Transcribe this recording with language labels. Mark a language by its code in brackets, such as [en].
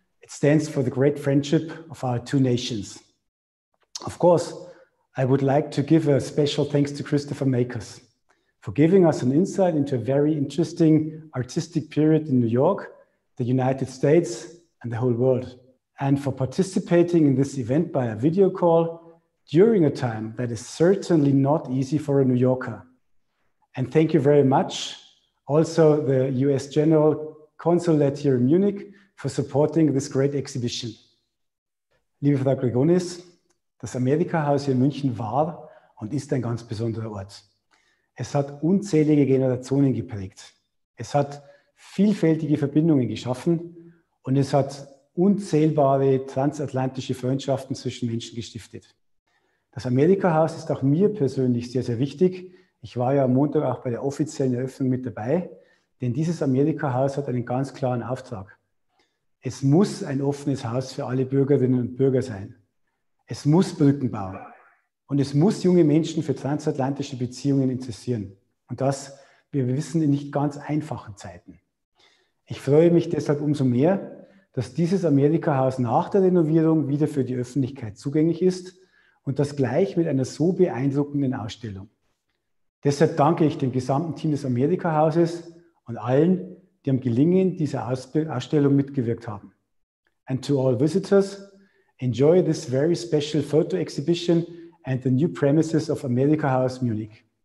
[en] It stands for the great friendship of our two nations. Of course, I would like to give a special thanks to Christopher Makos for giving us an insight into a very interesting artistic period in New York, the United States, and the whole world, and for participating in this event by a video call during a time that is certainly not easy for a New Yorker. And thank you very much, also the US General Consulate here in Munich, for supporting this great exhibition. [de] Liebe Frau Grigonis, das Amerikahaus hier in München war und ist ein ganz besonderer Ort. Es hat unzählige Generationen geprägt. Es hat vielfältige Verbindungen geschaffen und es hat unzählbare transatlantische Freundschaften zwischen Menschen gestiftet. Das Amerikahaus ist auch mir persönlich sehr, sehr wichtig. Ich war ja am Montag auch bei der offiziellen Eröffnung mit dabei, denn dieses Amerikahaus hat einen ganz klaren Auftrag. Es muss ein offenes Haus für alle Bürgerinnen und Bürger sein. Es muss Brücken bauen und es muss junge Menschen für transatlantische Beziehungen interessieren. Und das, wie wir wissen, in nicht ganz einfachen Zeiten. Ich freue mich deshalb umso mehr, dass dieses Amerikahaus nach der Renovierung wieder für die Öffentlichkeit zugänglich ist und das gleich mit einer so beeindruckenden Ausstellung. Deshalb danke ich dem gesamten Team des Amerikahauses und allen, die am Gelingen dieser Ausstellung mitgewirkt haben. [en] And to all visitors, enjoy this very special photo exhibition and the new premises of Amerikahaus Munich.